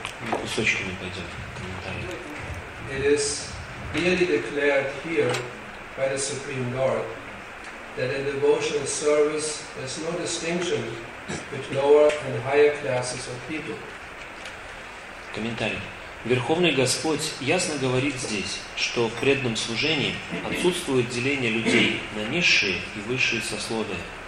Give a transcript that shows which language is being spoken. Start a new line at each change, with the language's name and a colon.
Russian: Кусочками пойдет комментарий.
English: It is clearly declared here by the Supreme Lord that in devotional service there's no distinction between lower and higher classes of people.
Russian: Комментарий. Верховный Господь ясно говорит здесь, что в преданном служении отсутствует деление людей на низшие и высшие сословия.